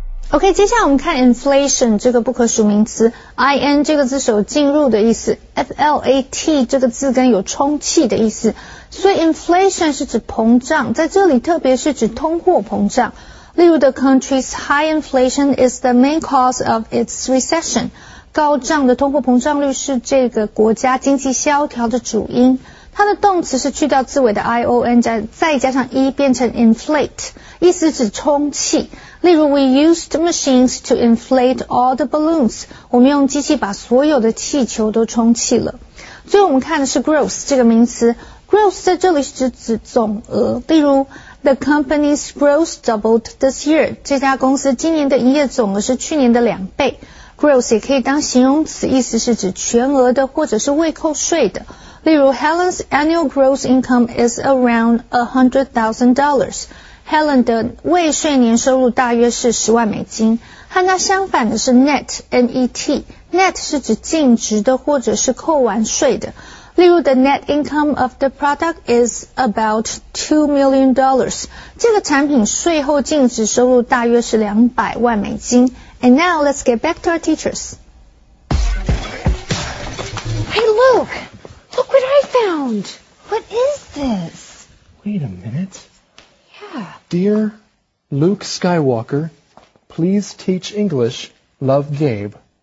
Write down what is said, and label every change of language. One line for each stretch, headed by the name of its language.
Chinese: OK, 接下来我们看 inflation 这个不可数名词 ,in 这个字是有进入的意思 ,flat 这个字根有充气的意思。所以 inflation 是指膨胀，在这里特别是指通货膨胀。例如
English: the country's high inflation is the main cause of its recession.
Chinese: 高涨的通货膨胀率是这个国家经济萧条的主因。它的动词是去掉字尾的 ion, 再加上 e 变成 inflate, 意思指充气。例如
English: we used machines to inflate all the balloons,
Chinese: 我们用机器把所有的气球都充气了。最后我们看的是 gross 这个名词， gross 在这里是指总额，例如
English: the company's gross doubled this year,
Chinese: 这家公司今年的营业总额是去年的两倍。 gross 也可以当形容词，意思是指全额的或者是未扣税的。例如
English: Helen's annual gross income is around $100,000.
Chinese: Helen 的未税年收入大约是10万美金。和它相反的是 net, N-E-T。 Net 是指净值的或者是扣完税的。例如
English: the net income of the product is about $2 million.
Chinese: 这个产品税后净值收入大约是200万美金。
English: And now let's get back to our teachers. Hey, Luke! Look what I found! What is this? Wait a minute. Yeah. Dear Luke Skywalker, please teach English. Love, Gabe.